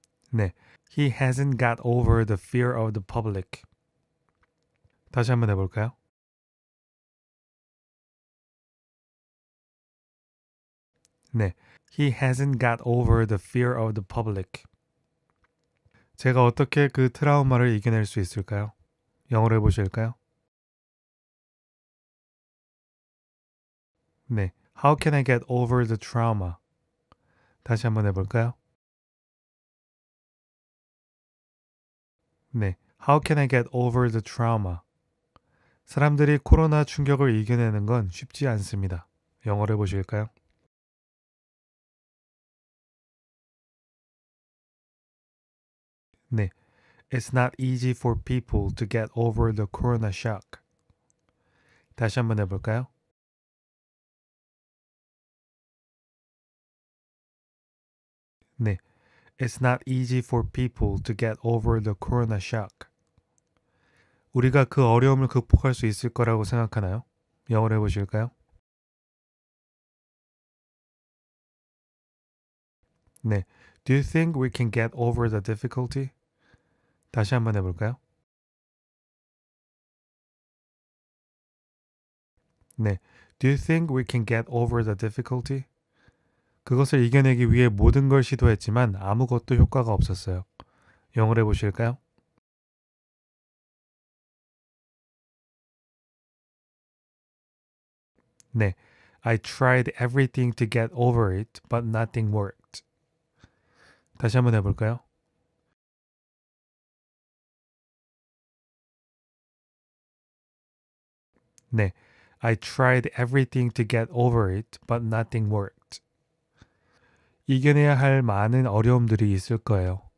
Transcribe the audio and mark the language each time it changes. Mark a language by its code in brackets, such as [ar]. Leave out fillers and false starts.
[en] 네, He hasn't got over the fear of the public. [ko] 다시 한번 해볼까요? [en] 네, He hasn't got over the fear of the public. [ko] 제가 어떻게 그 트라우마를 이겨낼 수 있을까요? 영어로 해보실까요? [en] 네, How can I get over the trauma? [ko] 다시 한번 해볼까요? [en] 네, How can I get over the trauma? [ko] 사람들이 코로나 충격을 이겨내는 건 쉽지 않습니다. 영어로 해보실까요? 네. [en] It's not easy for people to get over the corona shock. [ko] 다시 한번 해볼까요? [en] It's not easy for people to get over the corona shock. [ko] 우리가 그 어려움을 극복할 수 있을 거라고 생각하나요? 영어로 해보실까요? 네. [en] Do you think we can get over the difficulty? [ko] 다시 한번 해볼까요? 네. [en] Do you think we can get over the difficulty? [ko] 그것을 이겨내기 위해 모든 걸 시도했지만 아무것도 효과가 없었어요. 영어로 해보실까요? 네. [en] I tried everything to get over it, but nothing worked. [ko] 다시 한번 해볼까요? 네. [en] I tried everything to get over it, but nothing worked. [ko] 이겨내야 할 많은 어려움들이 있을 거예요.